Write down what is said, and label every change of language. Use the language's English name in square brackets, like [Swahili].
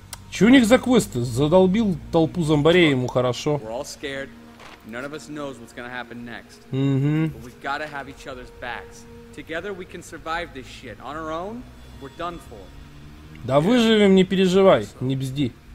[Russian] Че у них за квесты? Задолбил толпу зомбарей ему хорошо. [English] None of us knows what's gonna happen next. Mm-hmm. But we've gotta have each other's backs. Together we can survive this shit. On our own, we're done for. [Russian] Да выживем, не переживай, не бзди.